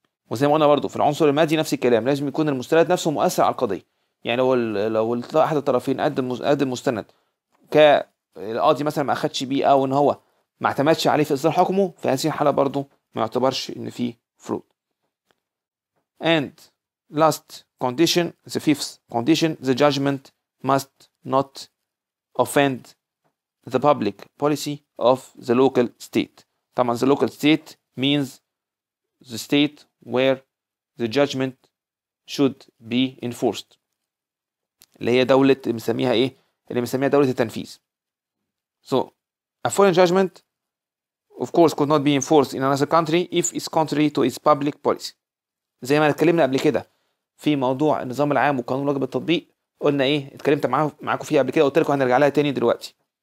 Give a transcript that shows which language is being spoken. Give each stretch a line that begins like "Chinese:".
Arabic: وزي ما قلنا برضو في العنصر المادي نفس الكلام، لازم يكون المستند نفسه مؤثر على القضية. يعني لو أحد الطرفين قدم مستند كالقاضي مثلا ما أخدش بيه أو إن هو ما اعتمدش عليه في إصدار حكمه، في هذه الحالة برضو ما يعتبرش إن فيه فروت. And
English: Last condition, the fifth condition, the judgment must not offend the public policy of the local state. Taman, the local state means the state where the judgment should be enforced.
Arabic: اللي هي دولة مسميها ايه؟ اللي مسميها دولة التنفيذ.
English: So, a foreign judgment, of course, could not be enforced in another country if it's contrary to its public policy.
Arabic: زي ما اتكلمنا قبل كده في موضوع النظام العام وقانون واجب التطبيق, قلنا ايه؟ اتكلمت معاكم فيها قبل كده, قلت لكم هنرجع لها تاني دلوقتي.